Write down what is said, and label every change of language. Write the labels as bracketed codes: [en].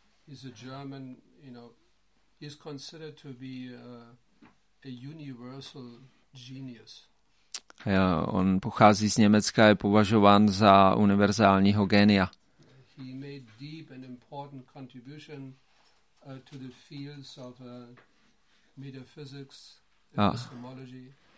[en] He's a German, you know, he's considered to be a universal genius. [cs] Ja, on pochází z Německa, je považován za univerzálního génia. [en] He made deep and important contribution to the fields of metaphysics, epistemology.